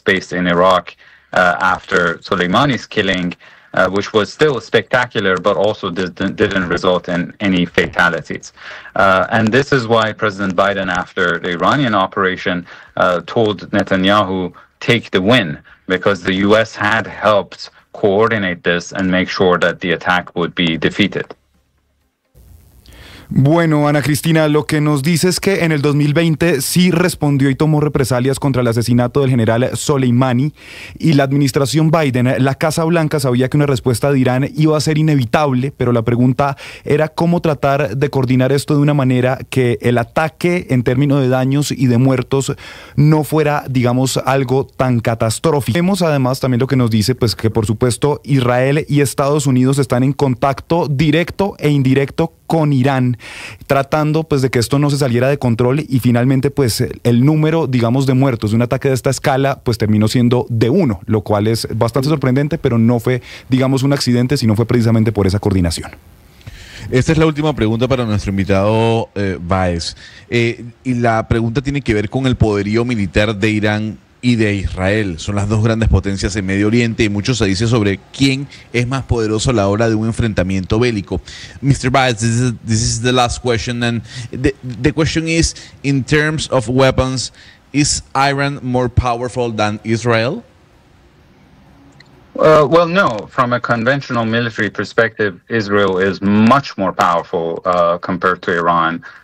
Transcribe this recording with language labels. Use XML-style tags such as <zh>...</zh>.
<en>base in Iraq after Soleimani's killing, which was still spectacular, but also didn't result in any fatalities. And this is why President Biden, after the Iranian operation, told Netanyahu, take the win, because the U.S. had helped coordinate this and make sure that the attack would be defeated.</en> <es>Bueno, Ana Cristina, lo que nos dice es que en el 2020 sí respondió y tomó represalias contra el asesinato del general Soleimani, y la administración Biden, la Casa Blanca, sabía que una respuesta de Irán iba a ser inevitable, pero la pregunta era cómo tratar de coordinar esto de una manera que el ataque en términos de daños y de muertos no fuera, digamos, algo tan catastrófico. Vemos además también lo que nos dice, pues, que por supuesto Israel y Estados Unidos están en contacto directo e indirecto con Irán, tratando pues de que esto no se saliera de control, y finalmente pues el número, digamos, de muertos de un ataque de esta escala pues terminó siendo de uno, lo cual es bastante sorprendente, pero no fue, digamos, un accidente, sino fue precisamente por esa coordinación. Esta es la última pregunta para nuestro invitado Báez, y la pregunta tiene que ver con el poderío militar de Irán y de Israel. Son las dos grandes potencias en Medio Oriente y mucho se dice sobre quién es más poderoso a la hora de un enfrentamiento bélico.</es> <en>Mr. Baez, this is the last question, and the question is, in terms of weapons, is Iran more powerful than Israel? Well, no. From a conventional military perspective, Israel is much more powerful compared to Iran.</en>